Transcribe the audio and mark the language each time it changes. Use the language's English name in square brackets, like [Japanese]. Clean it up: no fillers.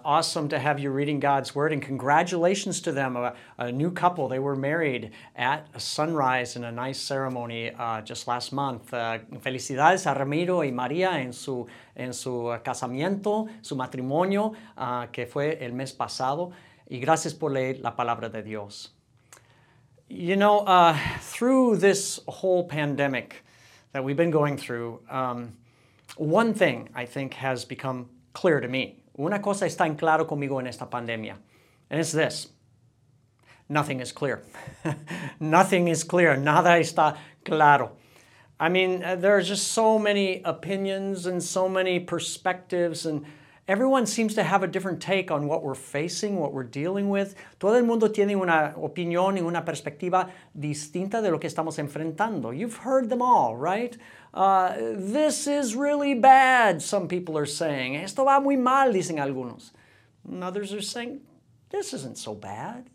[English] Awesome to have you reading God's Word, and congratulations to them, a new couple. They were married at a sunrise in a nice ceremony just last month. [Spanish] Felicidades a Ramiro y Maria en su casamiento, su matrimonio, que fue el mes pasado. Y gracias por leer la palabra de Dios. [English] You know, through this whole pandemic that we've been going through, one thing I think has become clear to me. [Spanish] Una cosa está en claro conmigo en esta pandemia. [English] And it's this. Nothing is clear. Nothing is clear. [Spanish] Nada está claro. [English] I mean, there are just so many opinions and so many perspectives, and everyone seems to have a different take on what we're facing, what we're dealing with. [Spanish] Todo el mundo tiene una opinión y una perspectiva distinta de lo que estamos enfrentando. [English] You've heard them all, right? This is really bad, some people are saying. [Spanish] Esto va muy mal, dicen algunos. [English] And others are saying, this isn't so bad.